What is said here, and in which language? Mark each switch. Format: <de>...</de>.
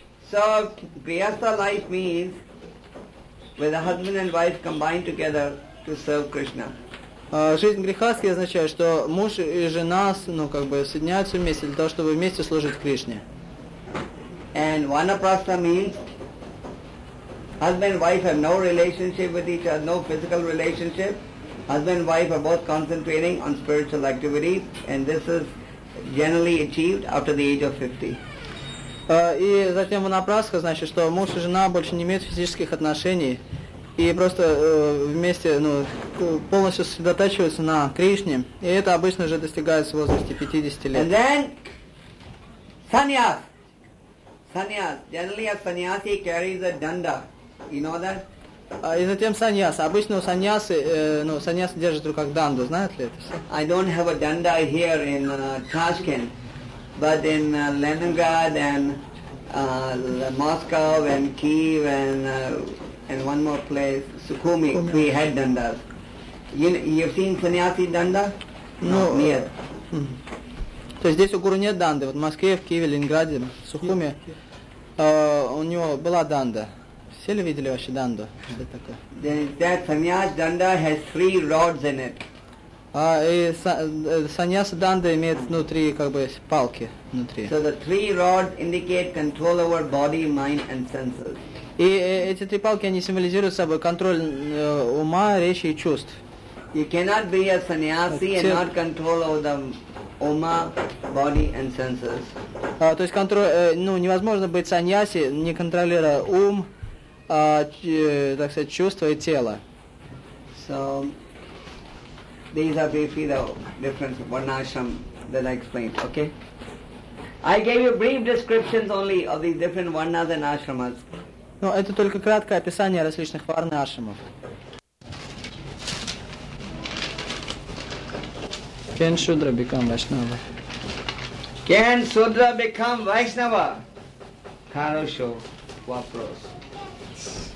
<en>So, grihastha life means with a husband and wife combined together to serve Krishna.</en> <ru>Жизнь грихастхи означает, что муж и жена, ну, как бы, соединяются вместе для того, чтобы вместе служить Кришне.</ru> <en>And vanaprastha means husband and wife have no relationship with each other, no physical relationship. Husband and wife are both concentrating on spiritual activities, and this is generally achieved after the age of 50.</en> <ru>И затем ванапрастха значит, что муж и жена больше не имеют физических отношений и просто вместе, ну, полностью сосредотачиваются на Кришне. И это обычно уже достигается в возрасте 50 лет.</ru> <en>And then, sannyas. Sannyas. Generally a sannyasi carries a danda. You know that?</en> <ru>И затем саньяс. Обычно у саньясы, ну, саньяс держит в руках данду. Знают ли это все?</ru> <en>I don't have a danda here in Tashkent. But in Leningrad and Moscow and Kiev and one more place, Sukhumi, we had dandas. You've seen sannyasi danda? No. Not yet.</en> <ru>То есть здесь у гуру нет данды. Вот в Москве, в Киеве, Ленинграде, Сухуми, у него была данда. Все ли видели вообще данду?</ru> <en>That sannyas danda has three rods in it.</en> <ru>И саньяса данда имеет внутри, как бы, палки внутри.</ru> <en>So the three rods indicate control over body, mind and senses.</en> <ru>И эти три палки, они символизируют собой контроль ума, речи и чувств.</ru> <en>You cannot be a sannyasi and not control over the</en> <ru>ума,</ru> <en>body and senses.</en> <ru>То есть невозможно быть саньяси, не контролируя ум, так сказать, чувства и тело.</ru> <en>So, these are briefly the difference of varnashram that I explained, okay? I gave you brief descriptions only of these different varnas and ashramas.</en> <ru>No, это только краткое описание различных варн и ашрамов.</ru> <en>Can Shudra become Vaishnava? Can Shudra become Vaishnava?</en> <ru>Kalosho Vapros.</ru>